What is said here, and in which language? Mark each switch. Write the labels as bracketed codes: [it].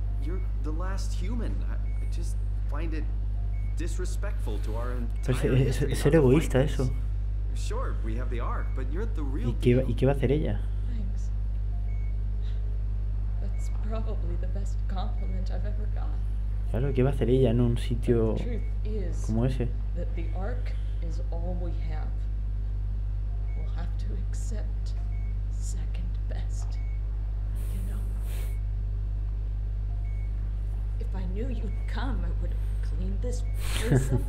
[en] You're the last human. I just find it disrespectful to our entire history. [es] Ser egoísta, eso. [en] Sure, we have the Ark, but you're the real [es] ¿Y qué va a hacer ella? [en] Thanks. That's probably the best compliment I've ever got. [es] Claro, ¿qué va a hacer ella en un sitio como ese? [en] That the Ark is all we have. We'll have to accept second best, you know? If I knew you'd come, I would have cleaned this place up.